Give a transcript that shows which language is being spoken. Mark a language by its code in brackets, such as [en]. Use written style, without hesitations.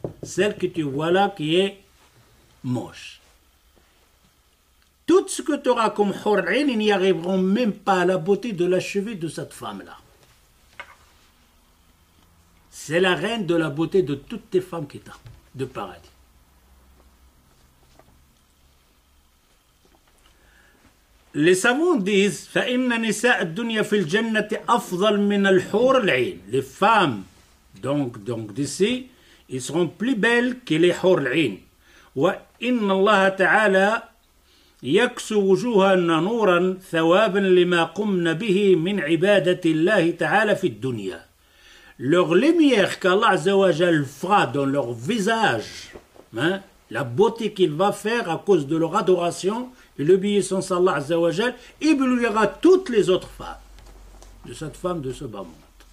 [fr] Celle que tu vois là qui est moche. Tout ce que tu auras comme horaires, ils n'y arriveront même pas à la beauté de la cheville de cette femme-là. C'est la reine de la beauté de toutes tes femmes qui t'ont de paradis. Les savants disent [ar] فإن نساء الدنيا في الجنة أفضل من الحور العين. [fr] Les femmes donc d'ici ils seront plus belles que les حور العين. [ar] وإن الله تعالى يكسو وجوهنا نورا ثوابا لما قمنا به من عبادة الله تعالى في الدنيا. [fr] Leur lumière qu'Allah عز وجل fera dans leur visage, hein, la beauté qu'il va faire à cause de leur adoration et l'obéissance à Allah Azza wa Jal éblouira toutes les autres femmes de cette femme de ce bas monde.